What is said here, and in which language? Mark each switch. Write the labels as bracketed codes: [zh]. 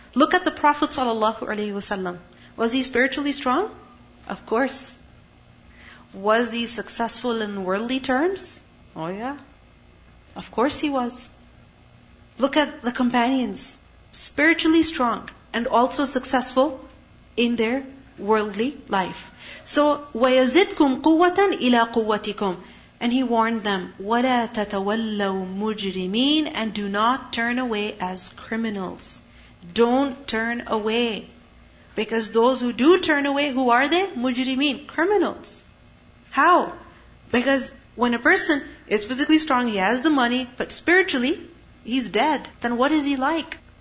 [en] Look at the Prophet ﷺ. Was he spiritually strong? Of course. Was he successful in worldly terms? Oh yeah. Of course he was. Look at the companions. Spiritually strong and also successful in their worldly life. So, [ar] وَيَزِدْكُمْ قُوَّةً إِلَىٰ قُوَّتِكُمْ. [en] And he warned them, [ar] وَلَا تَتَوَلَّوا مُجْرِمِينَ, [en] and do not turn away as criminals. Don't turn away. Because those who do turn away, who are they? مُجْرِمِينَ, criminals. How? Because when a person is physically strong, he has the money, but spiritually, he's dead. Then what is he like?